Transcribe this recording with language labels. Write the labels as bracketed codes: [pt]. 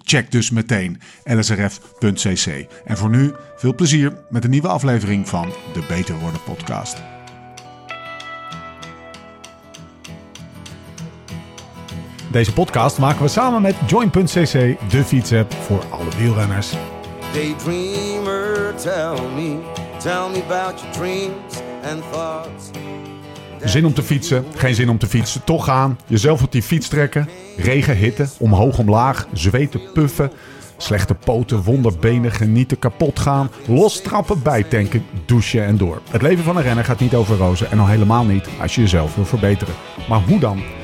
[nl] Check dus meteen lsrf.cc. En voor nu, veel plezier met een nieuwe aflevering van de Beter Worden podcast. Deze podcast maken we samen met Join.cc, de fietsapp voor alle wielrenners. [en] Daydreamer, tell me about your dreams and thoughts. [nl] Zin om te fietsen, geen zin om te fietsen, toch gaan, jezelf op die fiets trekken, regen, hitte, omhoog, omlaag, zweten, puffen, slechte poten, wonderbenen, genieten, kapot gaan, los trappen, bijtanken, douchen en door. Het leven van een renner gaat niet over rozen en al helemaal niet als je jezelf wil verbeteren. Maar hoe dan?